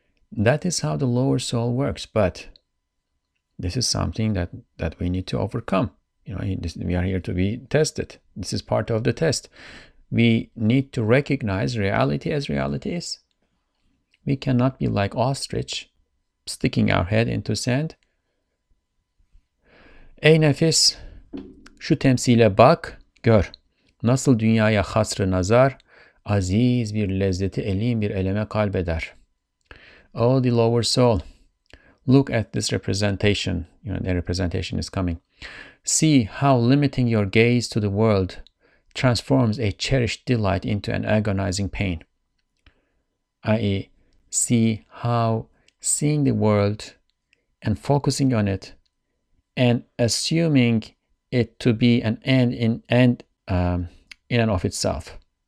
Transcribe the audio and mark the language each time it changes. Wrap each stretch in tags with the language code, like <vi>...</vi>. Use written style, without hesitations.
<en>That is how the lower soul works. But this is something that we need to overcome. You know, we are here to be tested. This is part of the test. We need to recognize reality as reality is. We cannot be like ostrich, sticking our head into sand.</en> <tr>Ey nefis, şu temsile bak, gör. Nasıl dünyaya hasrı nazar, aziz bir lezzeti elin bir eleme kalbeder.</tr> <en>Oh, the lower soul, look at this representation. You know, the representation is coming. See how limiting your gaze to the world transforms a cherished delight into an agonizing pain. I.e., see how seeing the world and focusing on it and assuming it to be an end in and of itself.</en>